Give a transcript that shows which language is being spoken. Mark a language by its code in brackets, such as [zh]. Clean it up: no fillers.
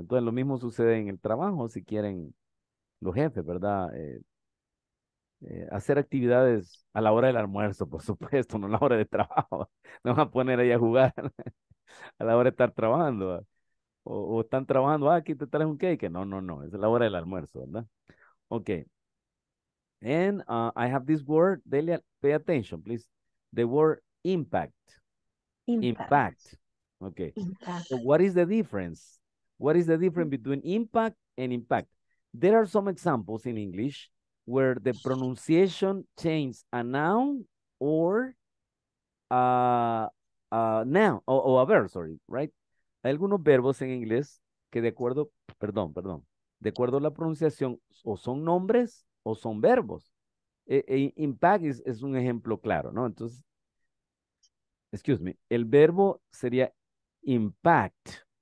[es] Entonces, lo mismo sucede en el trabajo, si quieren los jefes, ¿verdad? Hacer actividades a la hora del almuerzo, por supuesto, no a la hora de trabajo. No van a poner ahí a jugar a la hora de estar trabajando, ¿verdad? O están trabajando, aquí te traes un cake. No, es la hora del almuerzo, ¿verdad? Okay. [en] And I have this word, Delia, pay attention, please. The word impact. Impact. Okay. Impact. So what is the difference? What is the difference between impact and impact? There are some examples in English where the pronunciation changes a noun or a verb, right? [es] Hay algunos verbos en inglés que de acuerdo a la pronunciación o son nombres o son verbos. Impact es un ejemplo claro, ¿no? Entonces, el verbo sería impact.